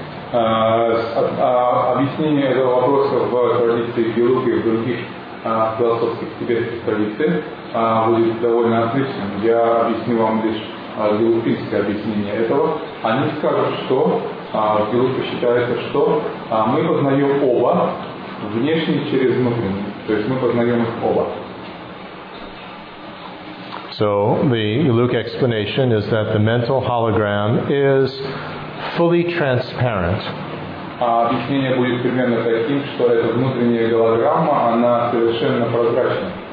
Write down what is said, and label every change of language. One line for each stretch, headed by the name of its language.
Russian: Объяснение этого вопроса в традиции Галуки и в других философских тибетских традициях будет довольно отличным. Я объясню вам лишь галукинское объяснение этого. Они скажут, что в Галуке считается, что мы познаем оба внешний через внутренний. То есть мы познаем их оба.
English: So the Galuk explanation is that the mental hologram is fully transparent.
Russian: Объяснение будет примерно таким, что эта внутренняя голограмма, она совершенно прозрачна.